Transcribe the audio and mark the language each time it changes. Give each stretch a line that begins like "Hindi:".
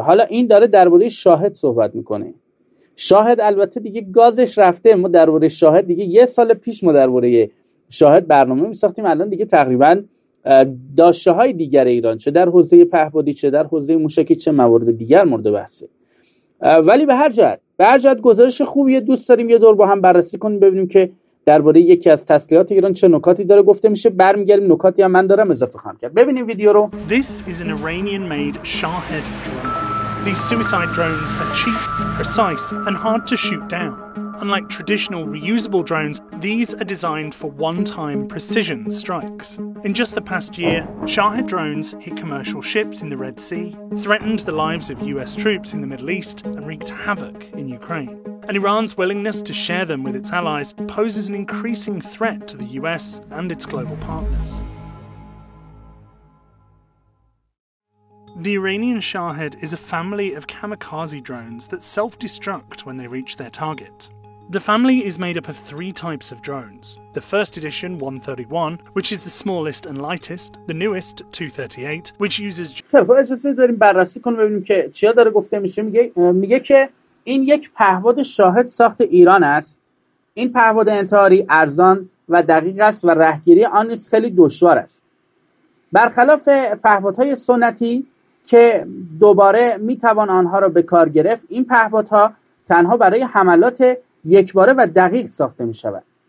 Persian: حالا این داره درباره شاهد صحبت میکنه. شاهد البته دیگه گازش رفته، ما درباره شاهد دیگه یه سال پیش ما درباره شاهد برنامه میساختیم، الان دیگه تقریبا داشته های دیگر ایران، چه در حوزه پهپادی، چه در حوزه موشکی، چه موارد دیگر مورد بحثه. ولی به هر جهت گزارش خوبیه. دوست داریم یه دور با هم بررسی کنیم ببینیم که درباره یکی از تسلیحات ایران چه نکاتی داره گفته میشه. برمیگردیم، نکاتی هم من دارم اضافه خواهم کرد. ببینیم ویدیو رو.
English: This is an Iranian made Shahed drone. These suicide drones are cheap, precise, and hard to shoot down. Unlike traditional reusable drones, these are designed for one-time precision strikes. In just the past year, Shahed drones hit commercial ships in the Red Sea, threatened the lives of US troops in the Middle East, and wreaked havoc in Ukraine. And Iran's willingness to share them with its allies poses an increasing threat to the US and its global partners. The Iranian Shahed is a family of kamikaze drones that self-destruct when they reach their target. The family is made up of three types of drones. The first edition, 131, which is the smallest and lightest. The newest, 238, which uses...
Persian: خب اجازه داریم بررسی کنیم ببینیم که چیا داره گفته میشه. میگه که این یک پهپاد شاهد ساخت ایران است. این پهپاد انتحاری ارزان و دقیق است و رهگیری آن نیز خیلی دشوار است. برخلاف پهپادهای سنتی که دوباره میتوان آنها را به کار گرفت، این پهپادها تنها برای حملات یکباره و دقیق ساخته می شود.